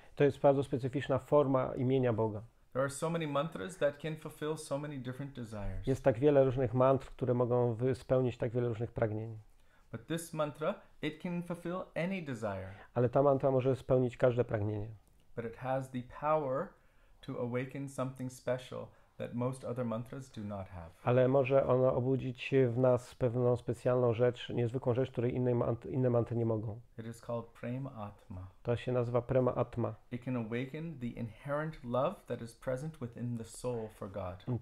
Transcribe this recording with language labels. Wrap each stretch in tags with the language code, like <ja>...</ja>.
<pl>To jest bardzo specyficzna forma imienia Boga.</pl> <en>There are so many mantras that can fulfill so many different desires.</en> <pl>Jest tak wiele różnych mantr, które mogą spełnić tak wiele różnych pragnień.</pl> <en>But this mantra, it can fulfill any desire.</en> <pl>Ale ta mantra może spełnić każde pragnienie.</pl> <en>But it has the power to awaken something special that most other mantras do not have.</en> <pl>Ale może ono obudzić w nas pewną specjalną rzecz, niezwykłą rzecz, której inne mantry nie mogą.</pl> <en>It is called Prema Atma.</en> <pl>To się nazywa Prema Atma.</pl> <en>It can awaken the inherent love that is present within the soul for God.</en>